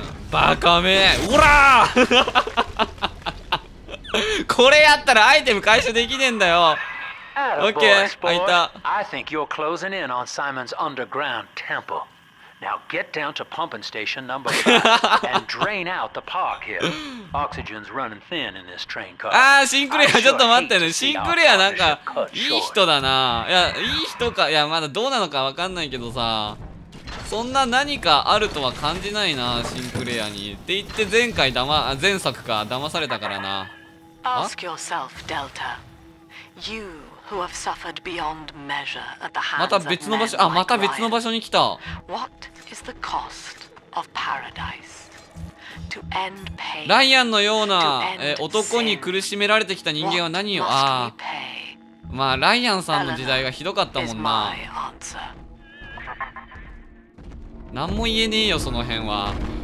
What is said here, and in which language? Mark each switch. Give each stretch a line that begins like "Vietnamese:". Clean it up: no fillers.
Japanese: バカめ、おらこれやったらアイテム回収できねえんだよ。 OK、開いた。
English: I think you're closing in on Simon's underground temple. Now get down to pumping station number 5 and drain out the park here. Oxygen's running thin in this train car.
Japanese: ああ、シンクレア、ちょっと待ってね。シンクレアなんかいい人だな。いや、いい人か、いや、まだどうなのかわかんないけどさ。そんな何かあるとは感じないな、シンクレアに。って言って前回前作か、騙されたからな。
English: Ask yourself, Delta. You who have suffered beyond measure at the hands of men like Ryan.
Japanese: また別の場所に来た。
English: What is the cost of paradise? To end pain.
Japanese: ライアンのような男に苦しめられてきた人間は何を、まあライアンさんの時代がひどかったもんな。何も言えねえよその辺は。